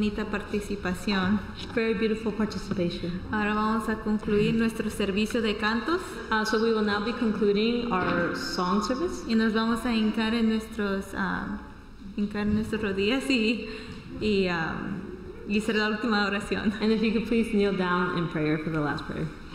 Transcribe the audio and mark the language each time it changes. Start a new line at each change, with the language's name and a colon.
Spanish: Participación.
English: Very beautiful participation.
Spanish: Ahora vamos a concluir nuestro servicio de cantos.
English: So we will now be concluding our song service.
Spanish: Y nos vamos a hincar en nuestros rodillas y hacer la última oración.
English: And if you could please kneel down in prayer for the last prayer.